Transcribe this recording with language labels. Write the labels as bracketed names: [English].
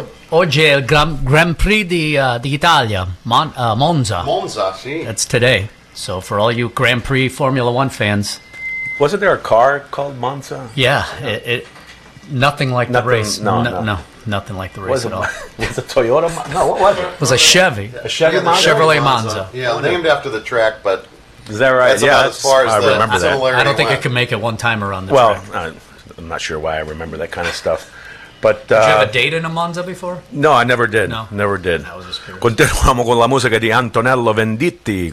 [Italian] Oggi è il Grand Prix di Italia, Monza. Monza, sì. [English] That's today. So for all you Grand Prix Formula One fans. Wasn't there a car called Monza? Yeah. It, nothing like nothing, the race. No, nothing like the race was at all. Was it a Toyota? No, what was it? It was a Chevy. A Chevy Monza? Chevrolet Monza. Yeah, named after the track, but is that right? That's about as far as I remember that. I don't think it can make it one time around the track. Well, I'm not sure why I remember that kind of stuff. But, did you have a date in a Monza before? No, I never did. No. Never did. [Italian] Continuiamo con la musica di Antonello Venditti.